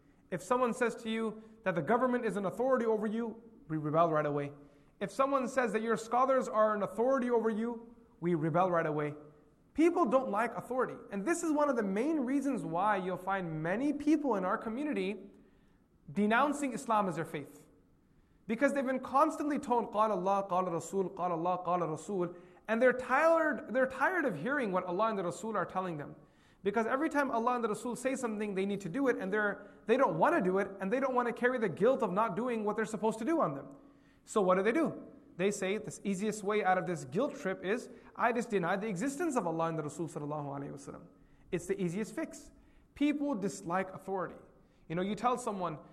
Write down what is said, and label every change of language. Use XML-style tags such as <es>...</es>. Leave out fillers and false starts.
<en>If someone says to you that the government is an authority over you, we rebel right away. If someone says that your scholars are an authority over you, we rebel right away. People don't like authority. And this is one of the main reasons why you'll find many people in our community denouncing Islam as their faith. Because they've been constantly told,</en> <ar>قَالَ اللَّهُ قَالَ رَسُولُ قَالَ اللَّهُ قَالَ رَسُولُ.</ar> <en>And they're tired of hearing what Allah and the Rasul are telling them. Because every time Allah and the Rasul say something, they need to do it, and they don't want to do it, and they don't want to carry the guilt of not doing what they're supposed to do on them. So what do? They say, the easiest way out of this guilt trip is, I just deny the existence of Allah and the Rasul sallallahu alayhi wa sallam. It's the easiest fix. People dislike authority. You know, you tell someone,</en>